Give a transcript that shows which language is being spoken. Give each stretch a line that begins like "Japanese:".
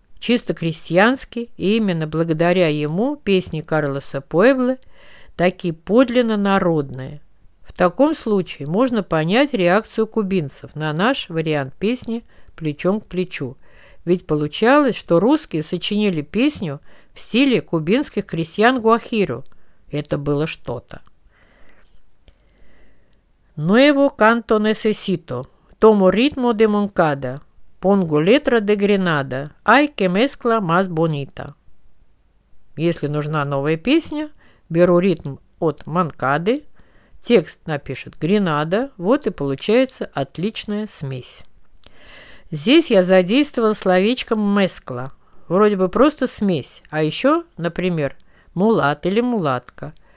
Russian: чисто крестьянский, и именно благодаря ему песни Карлоса Пуэбло такие подлинно народные. В таком случае можно понять реакцию кубинцев на наш вариант песни «Плечом к плечу». Ведь получалось, что русские сочинили песню в стиле кубинских крестьян гуахиру. Это было что-то.
Spanish: «Nuevo canto necesito, tomo ritmo de moncada, pongo letra de Grenada, ay que mezcla más bonita».
Russian: Если нужна новая песня, беру ритм от Манкады, текст напишет Гренада, вот и получается отличная смесь. Здесь я задействовал словечко «мескла». Вроде бы просто смесь, а еще, например, «мулат» или «мулатка».